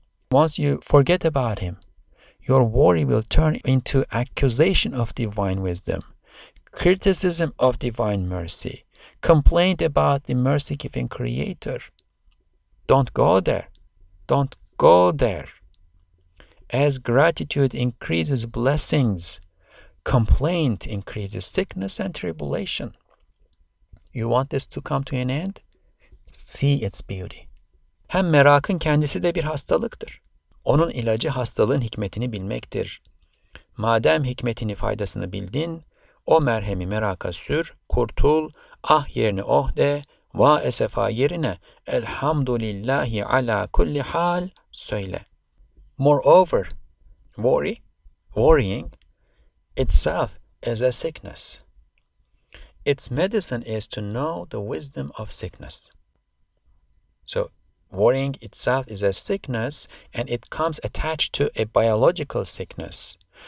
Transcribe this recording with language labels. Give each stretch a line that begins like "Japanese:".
English: Once you forget about Him, your worry will turn into accusation of divine wisdom, criticism of divine mercy, complaint about the mercy-giving Creator. Don't go there. Don't go there. As gratitude increases blessings, complaint increases sickness and tribulation. You want this to come to an end? See its beauty.
Turkish: Hem merakın kendisi de bir hastalıktır. Onun ilacı hastalığın hikmetini bilmektir. Madem hikmetini, faydasını bildin, o merhemi meraka sür, kurtul, ah yerine oh de, va esefa yerine elhamdülillahi ala kulli hal söyle.
English: Moreover, worrying itself is a sickness. Its medicine is to know the wisdom of sickness. So, worrying itself is a sickness, and it comes attached to a biological sickness.